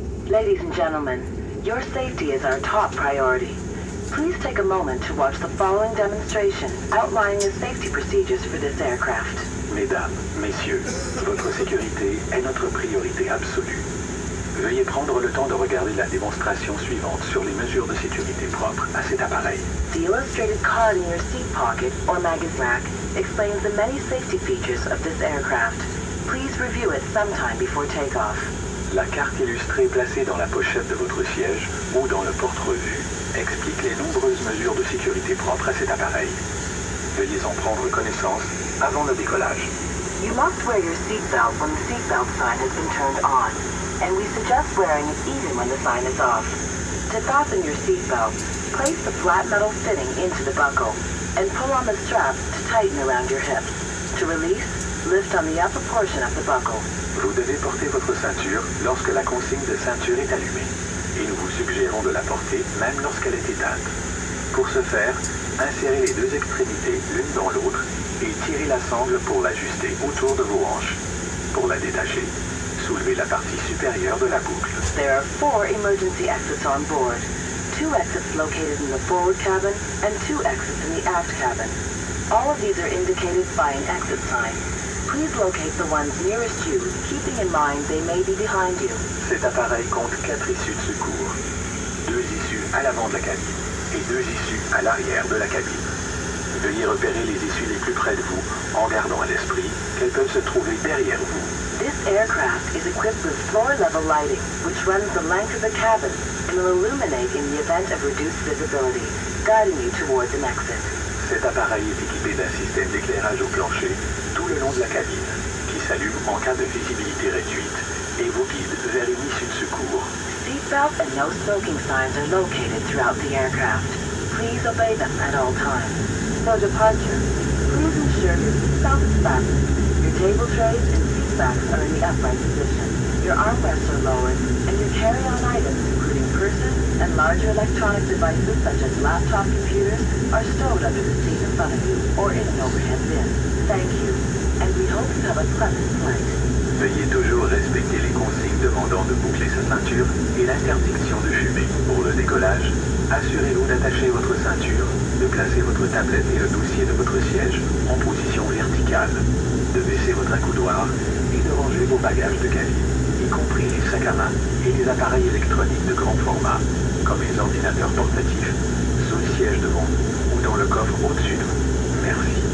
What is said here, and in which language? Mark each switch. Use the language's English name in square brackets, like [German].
[English] Ladies and gentlemen, your safety is our top priority. Please take a moment to watch the following demonstration outlining the safety procedures for this aircraft. [French] Mesdames, messieurs, votre sécurité est notre priorité absolue. Veuillez prendre le temps de regarder la démonstration suivante sur les mesures de sécurité propres à cet appareil. [English] The illustrated card in your seat pocket or magazine rack explains the many safety features of this aircraft. Please review it sometime before takeoff. [French] La carte illustrée placée dans la pochette de votre siège ou dans le porte-revue explique les nombreuses mesures de sécurité propres à cet appareil. Veuillez en prendre connaissance avant le décollage. [English] You must wear your seatbelt when the seatbelt sign has been turned on, and we suggest wearing it even when the sign is off. To fasten your seatbelt, place the flat metal fitting into the buckle and pull on the strap to tighten around your hips. To release, lift on the upper portion of the buckle. [French] Vous devez porter votre ceinture lorsque la consigne de ceinture est allumée, et nous vous suggérons de la porter même lorsqu'elle est éteinte. Pour ce faire, insérez les deux extrémités l'une dans l'autre et tirez la sangle pour l'ajuster autour de vos hanches. Pour la détacher, soulevez la partie supérieure de la boucle. [English] There are four emergency exits on board. Two exits located in the forward cabin and two exits in the aft cabin. All of these are indicated by an exit sign. Please locate the ones nearest you, keeping in mind they may be behind you. [French] Cet appareil compte quatre issues de secours. Deux issues à l'avant de la cabine et deux issues à l'arrière de la cabine. Veuillez repérer les issues les plus près de vous en gardant à l'esprit qu'elles peuvent se trouver derrière vous. [English] This aircraft is equipped with floor-level lighting, which runs the length of the cabin and will illuminate in the event of reduced visibility, guiding you towards an exit. [French] Cet appareil est équipé d'un système d'éclairage au plancher tout le long de la cabine, qui s'allume en cas de visibilité réduite et vous guide vers une issue de secours. [English] Seatbelt and no smoking signs are located throughout the aircraft. Please obey them at all times. For departure, please ensure your seatbelt is fastened. Your table trays and seatbacks are in the upright position. Your armrests are lowered, and your carry-on items, including purses and larger electronic devices such as laptop computers, are stowed under the seat in front of you or in an overhead bin. Thank you, and we hope you have a pleasant flight. [French] Veuillez toujours respecter les consignes demandant de boucler sa ceinture et l'interdiction de fumer. Pour le décollage, assurez-vous d'attacher votre ceinture, de placer votre tablette et le dossier de votre siège en position verticale, de baisser votre accoudoir et de ranger vos bagages de cabine, y compris les sacs à main et les appareils électroniques de grand format, comme les ordinateurs portatifs, sous le siège devant ou dans le coffre au-dessus de vous. Merci.